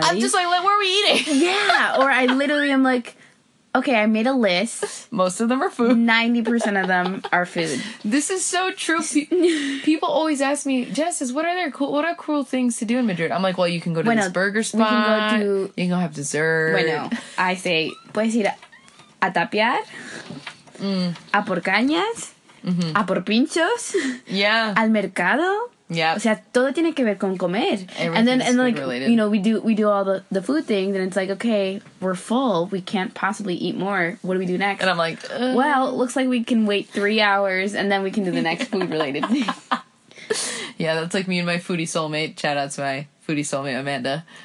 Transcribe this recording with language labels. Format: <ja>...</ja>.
<en>I'm just like, where are we eating? Yeah. Or I literally am like, okay, I made a list. Most of them are food. 90% of them are food. This is so true. People always ask me, Jess, what are cool things to do in Madrid? I'm like, well, you can go to this burger spot. You can go have dessert.</en> <es>Bueno,</es> <en>I say,</en> <es>puedes ir a tapiar, a por cañas, mm-hmm. a por pinchos, yeah. al mercado. Yeah. O sea, todo tiene que ver con comer.</es> <en>And then like, related. You know, we do all the food things, and it's like, okay, we're full. We can't possibly eat more. What do we do next? And I'm like, well, looks like we can wait 3 hours and then we can do the next food related thing. Yeah, that's like me and my foodie soulmate. Shout out to my foodie soulmate, Amanda.</en>